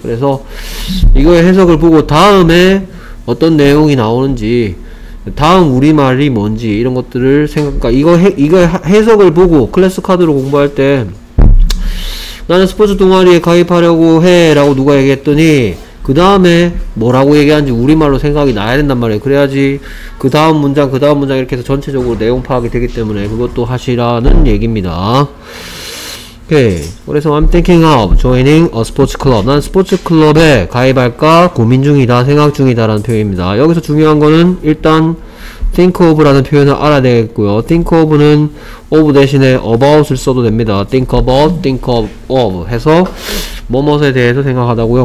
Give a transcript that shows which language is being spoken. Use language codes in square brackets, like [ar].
[ko] 그래서 이거의 해석을 보고 다음에 어떤 내용이 나오는지, 다음 우리말이 뭔지 이런 것들을 생각과 이거 해석을 보고 클래스 카드로 공부할 때 나는 스포츠 동아리에 가입하려고 해 라고 누가 얘기했더니 그 다음에 뭐라고 얘기하는지 우리말로 생각이 나야 된단 말이에요. 그래야지 그 다음 문장 그 다음 문장 이렇게 해서 전체적으로 내용 파악이 되기 때문에 그것도 하시라는 얘기입니다. 오케이. [en] 그래서 I'm thinking of joining a sports club. [ko] 난 스포츠 클럽에 가입할까 고민 중이다, 생각 중이다 라는 표현입니다. 여기서 중요한 거는 일단 think of 라는 표현을 알아야 되겠고요. think of는 of 대신에 about을 써도 됩니다. think about, think of 해서 뭐뭐에 대해서 생각하다고요.